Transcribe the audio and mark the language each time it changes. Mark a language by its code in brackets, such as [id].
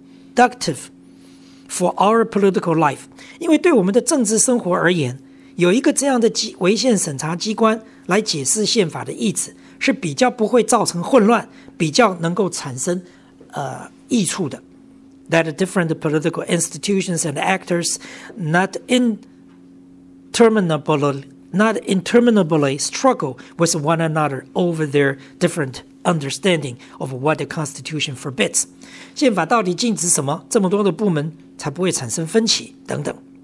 [en] productive for our political life. [zh] 因为对我们的政治生活而言，有一个这样的违宪审查机关来解释宪法的意思，是比较不会造成混乱，比较能够产生益处的。 [en] That different political institutions and actors not interminably struggle with one another over their different understanding of what the Constitution forbids. [zh] 宪法到底禁止什么？这么多的部门才不会产生分歧等等。